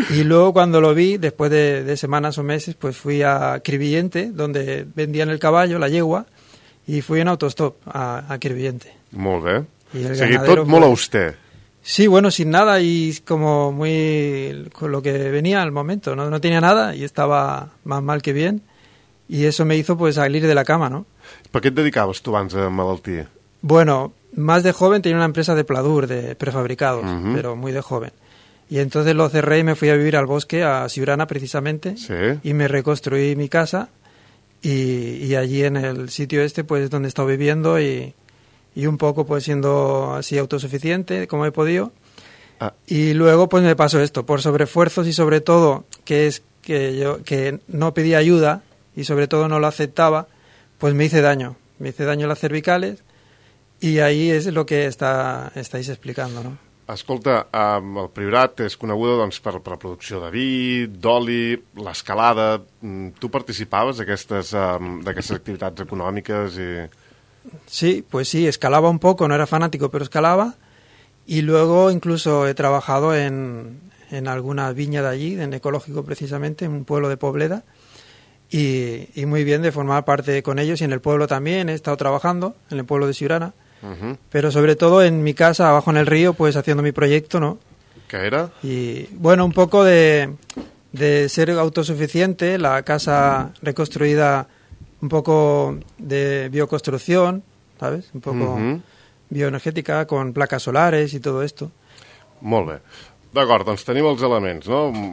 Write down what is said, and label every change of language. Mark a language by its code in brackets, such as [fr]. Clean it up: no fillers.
[es] Y luego cuando lo vi, después de semanas o meses, pues fui a Crevillente, donde vendían el caballo, la yegua, y fui en autostop a Crevillente. [ca] Molt bé. [es] Y el ganadero, [ca] tot molt a vostè. [es] Sí, bueno, sin nada y como muy con lo que venía al momento, ¿no? No tenía nada y estaba más mal que bien. Y eso me hizo pues salir de la cama, ¿no? [ca] ¿Per què et dedicaves tu abans de malaltia? [es] Bueno, más de joven tenía una empresa de pladur, de prefabricados, uh-huh. Pero muy de joven. Y entonces lo cerré y me fui a vivir al bosque, a Siurana precisamente, sí. Y me reconstruí mi casa. Y allí en el sitio este, pues es donde he estado viviendo y un poco pues siendo así autosuficiente, como he podido. Ah. Y luego pues me pasó esto, por sobreesfuerzos y sobre todo que es que yo que no pedí ayuda y sobre todo no lo aceptaba, pues me hice daño. Me hice daño en las cervicales y ahí es lo que estáis explicando, ¿no? [ca] Escolta, el Priorat és coneguda doncs, per la producció de vi, d'oli, l'escalada... Tu participaves d'aquestes activitats econòmiques? I [es] sí, pues sí, escalaba un poco, no era fanático, pero escalaba. Y luego incluso he trabajado en alguna viña de allí, en Ecológico precisamente, en un pueblo de Pobleda. Y muy bien de formar parte con ellos y en el pueblo también. He estado trabajando en el pueblo de Siurana. Pero sobre todo en mi casa, abajo en el río, pues haciendo mi proyecto, ¿no? ¿Qué era? Y bueno, un poco de ser autosuficiente, la casa reconstruida un poco de bioconstrucción, ¿sabes? Un poco bioenergética, con placas solares y todo esto. [ca] Molt bé. D'acord, doncs tenim els elements, no?